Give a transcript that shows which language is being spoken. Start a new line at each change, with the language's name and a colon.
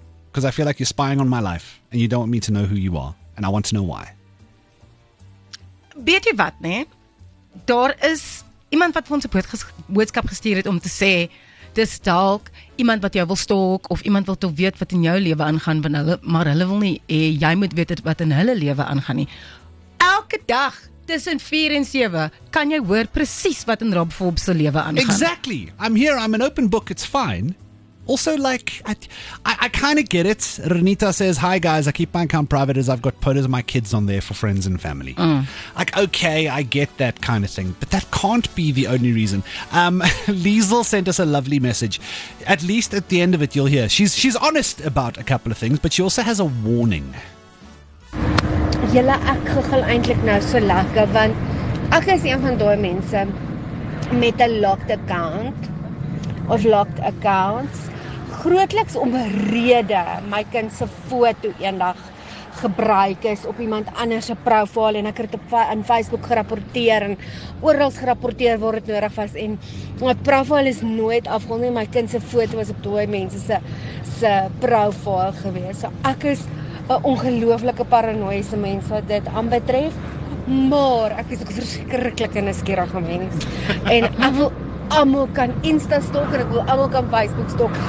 English: Because I feel like you're spying on my life and you don't want me to know who you are. And I want to know why.
Afrikaans: Weet jy wat, nee? Daar is iemand wat vir ons 'n boodskap gestuur het om te sê, dis dalk iemand wat jou wil stalk of iemand wil toe weet wat in jou lewe aangaan, maar hulle wil nie hê jy moet weet wat in hulle lewe aangaan nie. Elke dag tussen 4 en 7 kan jy hoor presies wat in Rob Forbes se lewe aangaan.
English: Exactly. I'm here, I'm an open book, it's fine. Also, like, I kind of get it. Renita says, hi, guys. I keep my account private as I've got photos of my kids on there for friends and family. Like, okay, I get that kind of thing. But that can't be the only reason. Liesl sent us a lovely message. At least at the end of it, you'll hear. She's honest about a couple of things, but she also has a warning.
Afrikaans: Julle, ek kuchel eindelijk nou so lekker, want ek is een van die mense met
English: a locked account.
Afrikaans: Of
English: locked accounts.
Afrikaans: Grootliks om rede my kind se foto eendag gebruik is op iemand anders se profile en ek het op in Facebook gerapporteer en oral gerapporteer waar dit nodig was en my profile is nooit afgehaal nie, my kind se foto was op daai mense se profile gewees. So ek is 'n ongelooflike paranoïese mens wat dit aanbetref, maar ek is ook 'n verskriklike nuuskierige mens en ek wil almal kan Insta stalk en ek wil almal kan Facebook stalk.